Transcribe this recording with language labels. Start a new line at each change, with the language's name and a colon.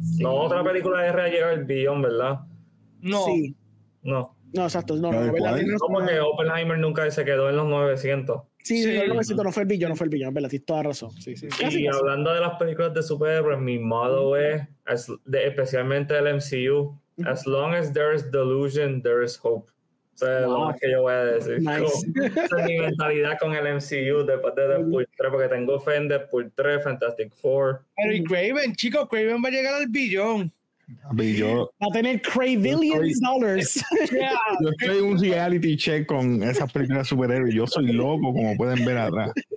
Spanish: Sí. No, otra película R ha llegado al billón, ¿verdad? No. Sí. No. No, exacto. No, no, ¿verdad? ¿Cuál? Como que Oppenheimer nunca se quedó en los 900. Sí, sí. No, siento, no fue el billón, no fue el billón, ¿verdad? Tienes toda razón. Sí, sí. Y hablando de las películas de superhéroes, mi modo es de, especialmente del MCU.
English: As long as there is delusion, there is hope.
Spanish: O sea, lo más que yo voy a decir.
English: Nice.
Spanish: Esa es mi mentalidad con el MCU después de Deadpool 3, porque tengo fe en Deadpool 3, Fantastic Four. Pero y Kraven, chicos, Kraven va a llegar al billón. Billón. Va a tener Kravillions dollars. Yo estoy un reality check con esas películas superhéroes. Yo soy loco, como pueden ver atrás.